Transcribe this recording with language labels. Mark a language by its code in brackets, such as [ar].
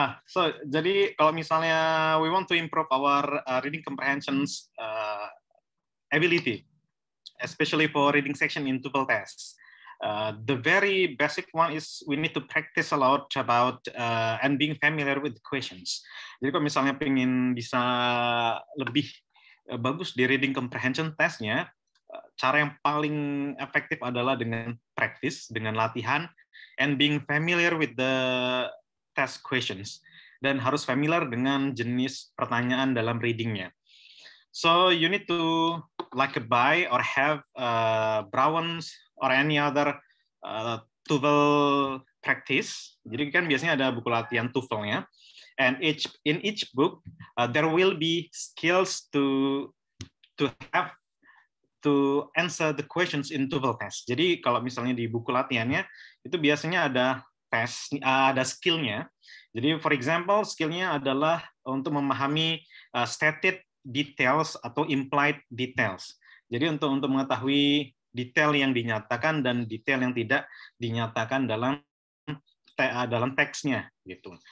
[en] So [id] jadi kalau misalnya [en] we want to improve our reading comprehension ability, especially for reading section in TOEFL tests, the very basic one is we need to practice a lot about and being familiar with the questions. [id] Jadi kalau misalnya pengen bisa lebih bagus di reading comprehension testnya, cara yang paling efektif adalah dengan practice, dengan latihan, [en] and being familiar with the test questions, [id] dan harus familiar dengan jenis pertanyaan dalam readingnya. [en] So you need to like buy or have Brown's or any other TOEFL practice. [id] Jadi kan biasanya ada buku latihan TOEFL-nya, [en] and each in each book there will be skills to have to answer the questions in TOEFL test. [id] Jadi kalau misalnya di buku latihannya itu biasanya ada tes, ada skillnya. Jadi [en] for example [id] skillnya adalah untuk memahami stated details atau implied details. Jadi untuk mengetahui detail yang dinyatakan dan detail yang tidak dinyatakan dalam dalam teksnya gitu.